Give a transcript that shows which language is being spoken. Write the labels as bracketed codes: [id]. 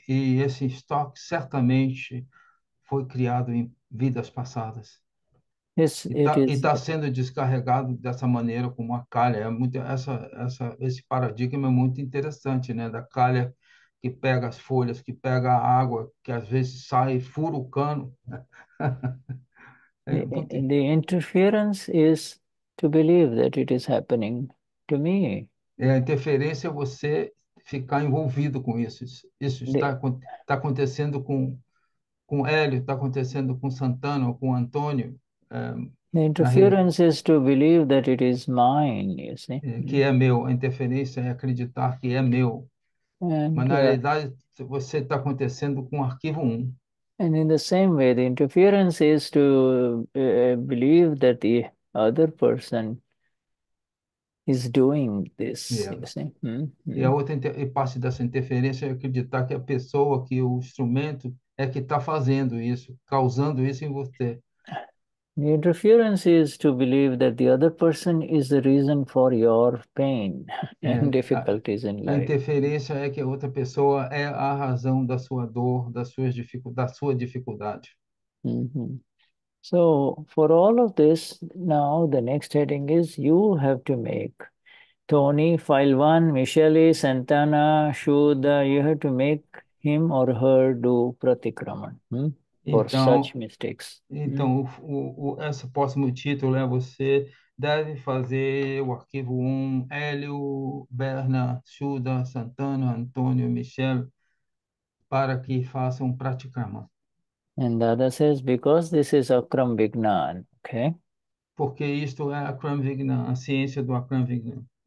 [pt] E esse estoque certamente foi criado em vidas passadas. E está sendo descarregado dessa maneira como a calha. Esse paradigma é muito interessante, né? Da calha que pega as folhas, que pega a água, que às vezes sai e fura o cano. [en] The interference is to believe that it is happening to me. [pt] É, a interferência é você ficar envolvido com isso. Isso está acontecendo com Hélio, está acontecendo com Santana, com Antônio. [en] The interference is to believe that it is mine, you see. [pt] Que é meu. A interferência é acreditar que é meu. Mas na realidade, você está acontecendo com o arquivo 1. [en] And in the same way, the interference is to believe that the other person is doing this, you see. [pt] E parte dessa interferência é acreditar que a pessoa, que o instrumento, é que está fazendo isso, causando isso em você. [en] The interference is to believe that the other person is the reason for your pain and difficulties in life. [pt] A interferência é que a outra pessoa é a razão da sua dor, da sua dificuldade. [en] So, for all of this, now the next heading is you have to make Tony, file one, Michele, Santana, Shuddha, you have to make him or her do pratikraman. For [pt] então, [en] such mistakes. [pt] Então, esse próximo título é você deve fazer o arquivo 1, Hélio, Berna, Shuddha, Santana, Antônio, Michel, para que façam um pratikrama. [en] And Dada says, because this is Akram Vignan, okay? [pt] Porque isto é Akram Vignan, a ciência do Akram Vignan.